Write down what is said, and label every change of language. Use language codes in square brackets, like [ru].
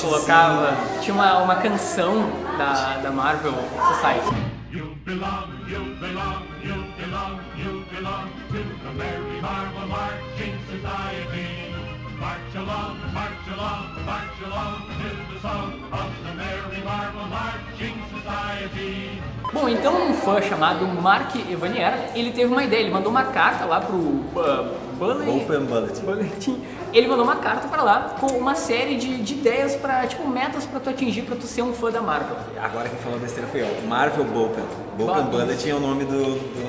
[pt] Colocava, tinha uma canção da Marvel Society. [en] You belong, you belong, you belong, you belong to the Mary Marvel Marching Society. March along, march along to the song of the Mary Marvel Marching Society. [pt] Bom, então um fã chamado Mark Evanier, ele teve uma ideia, ele mandou uma carta lá pro Bulletin. Ele mandou uma carta pra lá com uma série de ideias pra, tipo, metas pra tu atingir, pra tu ser um fã da Marvel. Agora quem falou besteira foi eu, Marvel Bulletin. Bulletin Bulletin é o nome do...